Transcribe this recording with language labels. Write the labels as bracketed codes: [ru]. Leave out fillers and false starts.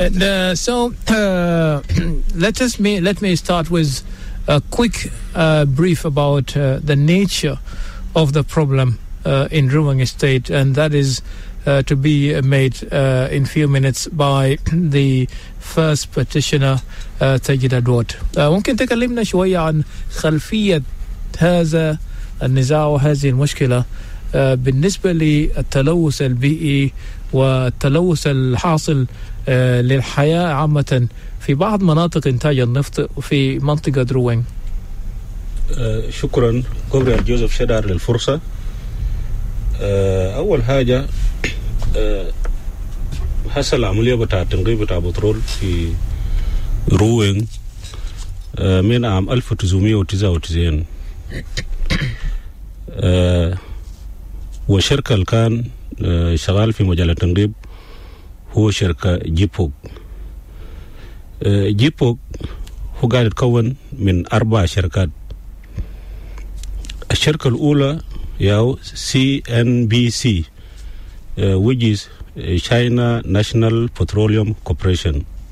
[en] And so let me start with a quick brief about the nature of the problem in Ruweng State, and that is to be made in few minutes by the first petitioner, Tejid Adwood. [ar] ممكن تكلمنا شوية عن خلفية هذا النزاع وهذه المشكلة بالنسبة للتلوث البيئي والتلوث الحاصل للحياة عامة في بعض مناطق إنتاج النفط في منطقة روينغ. شكرا جوبريل جوزيف شدار للفرصة. أول حاجة حصل عملية بتاع تنقيب بتاع بترول في روينغ من عام 1999 وشركة كان شغال في مجال التنقيب هو شركة جيبوك. جيبوك هو قاعد يتكون من أربع شركات. الشركة الأولى ياو [en] CNPC which is China National Petroleum Corporation.